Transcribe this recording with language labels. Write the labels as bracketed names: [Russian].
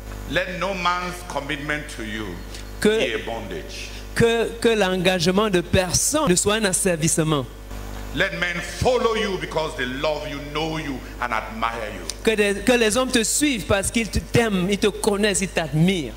[English] Let no man's commitment to you be a bondage. [French] Que l'engagement de personne ne soit un asservissement. [English] Let men follow you because they love you, know you, and admire you. [French] Que les hommes te suivent parce qu'ils t'aiment, ils te connaissent, ils t'admirent.